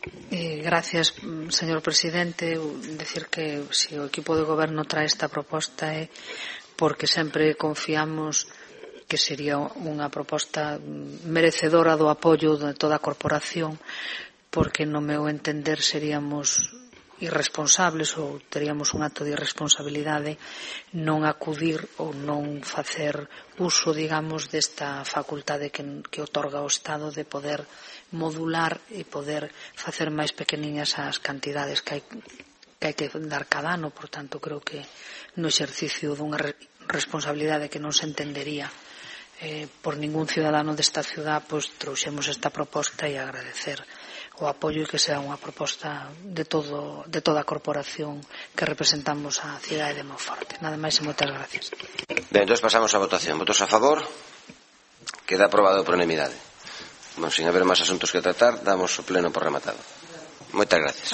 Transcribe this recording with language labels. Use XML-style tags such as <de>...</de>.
<es>Gracias, señor presidente.</es> <gl>Decir que si o equipo de goberno trae esta proposta é porque sempre confiamos que sería unha proposta merecedora do apoio de toda a corporación, porque no meu entender seríamos irresponsables ou teríamos un acto de irresponsabilidade non acudir ou non facer uso, digamos, desta facultade que otorga o Estado de poder modular e poder facer máis pequeniñas as cantidades que hai que dar cada ano. Por tanto, creo que no exercicio dunha responsabilidade que non se entendería por ningún ciudadano desta ciudad, pois trouxemos esta proposta e agradecer o apoio e que sea unha proposta de toda a corporación que representamos a cidade de Monforte. Nada máis e moitas gracias. Ben, entón pasamos á votación. Votos a favor. Queda aprobado por unanimidade.</gl> <es>Bueno, sin haber más asuntos que tratar,</es> <gl>damos o pleno por rematado. Moitas gracias.</gl>